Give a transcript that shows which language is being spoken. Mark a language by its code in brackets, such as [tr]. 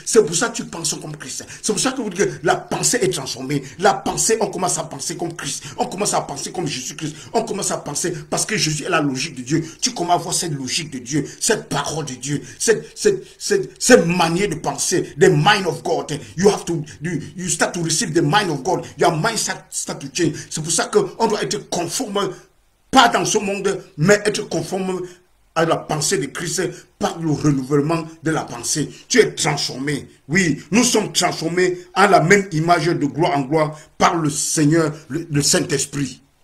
[fr] C'est pour ça que tu penses comme Christ. C'est pour ça que vous dites que la pensée est transformée. La pensée, on commence à penser comme Christ. On commence à penser comme Jésus-Christ. On commence à penser parce que Jésus est la logique de Dieu. Tu commences à voir cette logique de Dieu, cette parole de Dieu, cette manière de penser, des [en] mind of God. You start to receive the mind of God. Your mind start to change. [fr] C'est pour ça qu'on doit être conforme, pas dans ce monde, mais être conforme à la pensée de Christ par le renouvellement de la pensée. Tu es transformé. Oui, nous sommes transformés en la même image de gloire en gloire par le Seigneur, le Saint-Esprit.